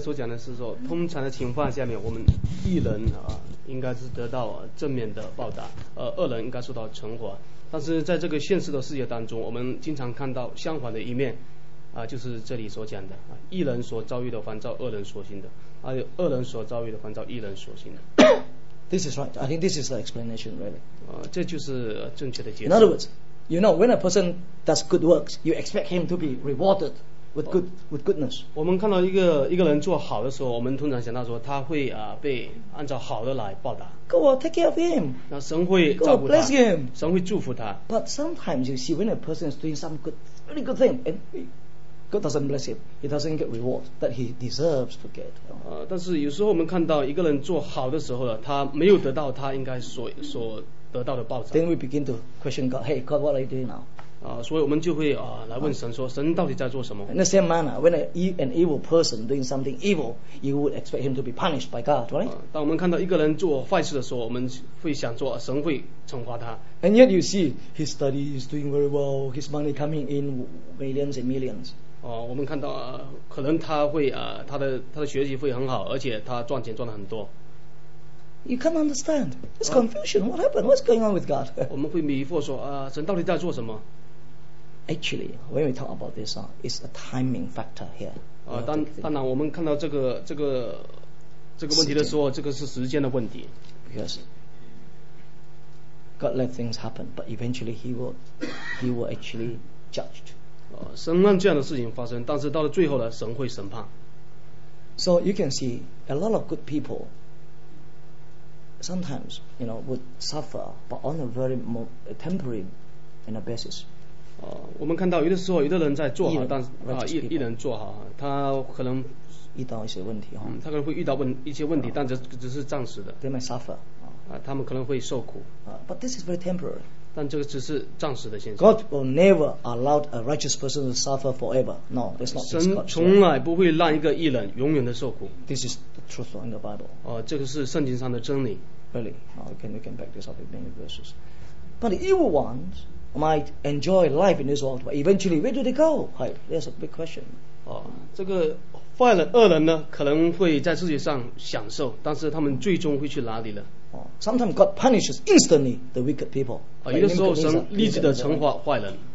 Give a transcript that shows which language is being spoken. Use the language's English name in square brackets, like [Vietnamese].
[Chinese] 所讲的是说，通常的情况下面，我们义人应该是得到正面的报答，恶人应该受到惩罚。但是在这个现实的世界当中，我们经常看到相反的一面，就是这里所讲的，义人所遭遇的反遭恶人所行的，还有恶人所遭遇的反遭义人所行的。 [English] This is right. I think this is the explanation, really. [Chinese] 这就是正确的解释。 [English] In other words, when a person does good works, you expect him to be rewarded. With goodness. [Chinese] 我们看到一个人做好的时候，我们通常想到说他会被按照好的来报答。 [English] God will take care of him. [Chinese] 那神会照顾他。 [English] God bless him. [Chinese] 神会祝福他。 [English] But sometimes you see when a person is doing some good, very good thing, and God doesn't bless him, he doesn't get reward that he deserves to get. [Chinese] 但是有时候我们看到一个人做好的时候他没有得到他应该所得到的报答。 [English] Then we begin to question God. Hey, God, what are you doing now? [Chinese] 所以我们就会来问神说，神到底在做什么 [English] ？In the same manner, when an evil person doing something evil, you would expect him to be punished by God, right? [Chinese] 当我们看到一个人做坏事的时候，我们会想说，神会惩罚他。 [English] And yet you see, his study is doing very well, his money coming in millions and millions. [Chinese] 我们看到可能他会他的学习会很好，而且他赚钱赚了很多。 [English] You can't understand. It's confusion. What happened? What's going on with God? [Chinese] 我们会迷惑说神到底在做什么？ [English] Actually, when we talk about this, it's a timing factor here. [Chinese] 当然，我们看到这个问题的时候，这个是时间的问题。 [English] Because God let things happen, but eventually He will actually judge. [Chinese] 神让这样的事情发生，但是到了最后呢，神会审判。 [English] So you can see a lot of good people sometimes, would suffer, but on a very temporary, basis. [Chinese] 我们看到有的时候有的人在做好，但一人做好，他可能遇到一些问题，他可能会遇到一些问题，但只是暂时的。 [English] They might suffer. [Chinese] 他们可能会受苦。 [English] But this is very temporary. [Chinese] 但这个只是暂时的现象。 [English] God will never allow a righteous person to suffer forever. No, that's not. [Chinese] 神从来不会让一个义人永远的受苦。 [English] This is the truth in the Bible. [Chinese] 这个是圣经上的真理。 [English] really. We can back this up with many verses. But the evil ones might enjoy life in this world, but eventually, where do they go? Right, that's a big question. [Chinese] 这个坏人恶人呢，可能会在世界上享受，但是他们最终会去哪里呢？ [English] Sometimes God punishes instantly the wicked people. [Chinese] 有的时候神立即的惩罚坏人。